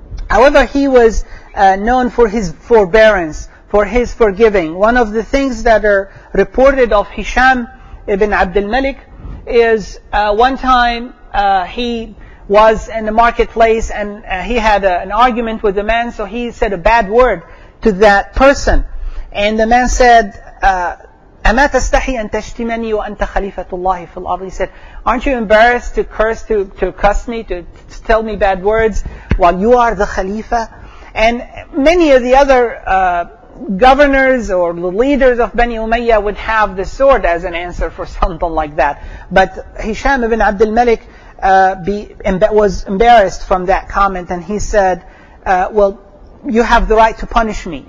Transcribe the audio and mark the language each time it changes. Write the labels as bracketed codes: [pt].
[en] However, he was known for his forbearance, for his forgiving. One of the things that are reported of Hisham ibn Abdul Malik is one time he was in the marketplace and he had an argument with the man, so he said a bad word to that person. And the man said, [ar] أَمَا تَسْتَحِي أَن تَشْتِمَنِي وَأَنْتَ خَلِيفَةُ اللَّهِ فِي الْأَرْضِ. [en] He said, aren't you embarrassed to curse, to cuss me, to tell me bad words while you are the Khalifa? And many of the other governors or the leaders of Bani Umayyah would have the sword as an answer for something like that. But Hisham ibn Abdul Malik was embarrassed from that comment, and he said, well, you have the right to punish me.